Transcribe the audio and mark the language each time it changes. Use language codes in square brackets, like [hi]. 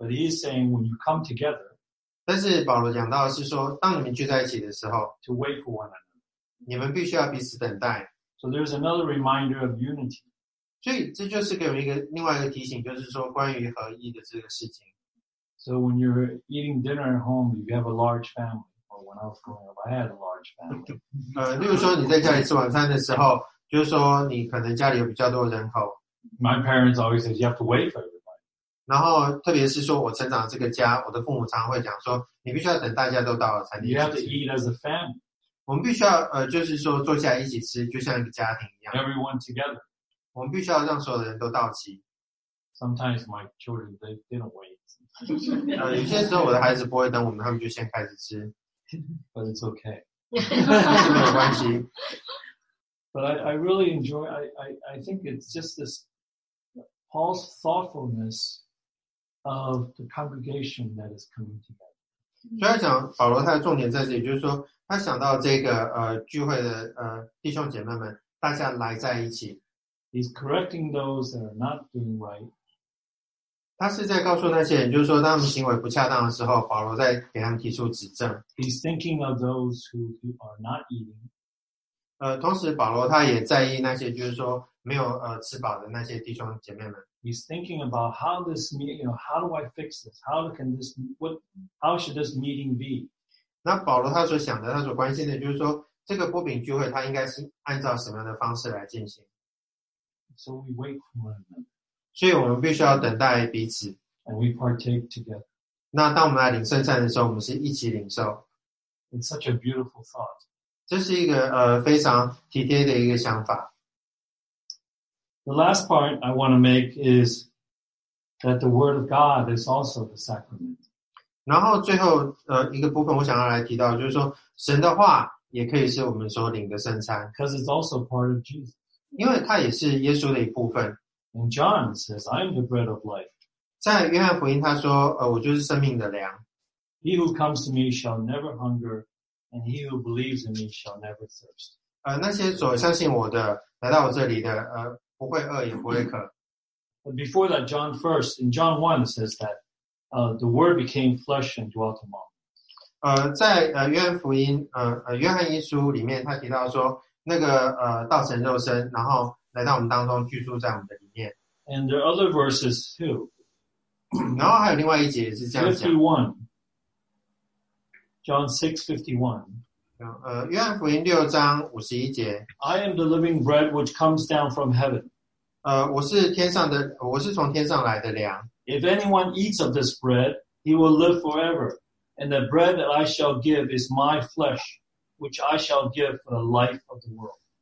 [en] But he's saying when you come together. [zh] 但是保罗讲到的是说，当你们聚在一起的时候 [en] ，to wait for one another. [zh] 你们必须要彼此等待。 [en] So there's another reminder of unity. [zh] 所以这就是给我们另外一个提醒，就是说关于合一的这个事情。 [en] So when you're eating dinner at home, you have a large family. When I was growing up, I had a large family. [zh] 例如说你在家里吃晚餐的时候，就是说你可能家里有比较多人口。 [en] My parents always said you have to wait for everybody. [zh] 然后特别是说我成长这个家，我的父母常常会讲说，你必须要等大家都到了才能吃。 [en] You have to eat as a family. [zh] 我们必须要就是说坐下来一起吃，就像一个家庭一样。 [en] Everyone together. [zh] 我们必须要让所有的人都到齐。 [en] Sometimes my children they don't wait. [zh] 有些时候我的孩子不会等我们，他们就先开始吃。 [en] But it's okay. [zh] 是没有关系。 [en] But I really enjoy. I think it's just this Paul's thoughtfulness of the congregation that is coming together. [zh] 所以讲保罗他的重点在这里，就是说他想到这个聚会的弟兄姐妹们，大家来在一起。 [en] He's correcting those that are not doing right. [zh] 他是在告诉那些人，就是说当他们行为不恰当的时候，保罗在给他们提出指正。 [en] He's thinking of those who are not eating. [zh] 同时保罗他也在意那些就是说没有吃饱的那些弟兄姐妹们。 [en] He's thinking about how this meeting, you know, how do I fix this? How can this, what, how should this meeting be? [zh] 那保罗他所想的，他所关心的就是说这个波饼聚会他应该是按照什么样的方式来进行。 [en] So we wait for one another. [zh] 所以我们必须要等待彼此。 [en] And we partake together. [zh] 那当我们来领圣餐的时候，我们是一起领受。 [en] It's such a beautiful thought. [zh] 这是一个非常体贴的一个想法。 [en] The last point I want to make is that the word of God is also the sacrament. [zh] 然后最后一个部分我想要来提到，就是说神的话也可以是我们所领的圣餐。 [en] Because it's also part of Jesus. [zh] 因为它也是耶稣的一部分。 [en] And John says, I am the bread of life. [zh] 在约翰福音他说我就是生命的粮。 [en] He who comes to me shall never hunger, and he who believes in me shall never thirst. [zh] 那些所相信我的，来到我这里的，不会饿，也不会渴。 [en] But before that, John first, in John 1 says that, the word became flesh and dwelt among. [zh] 在约翰福音，约翰一书里面，他提到说，那个道成肉身，然后来到我们当中，居住在我们的里面。 [en] And there are other verses too. [zh] 然后还有另外一节也是这样讲。 [en] 51. John 6:51. [zh] 约翰福音六章五十一节。 [en] I am the living bread which comes down from heaven. [zh] 我是天上的，我是从天上来的粮。 [en] If anyone eats of this bread, he will live forever. And the bread that I shall give is my flesh, which I shall give for the life of the world.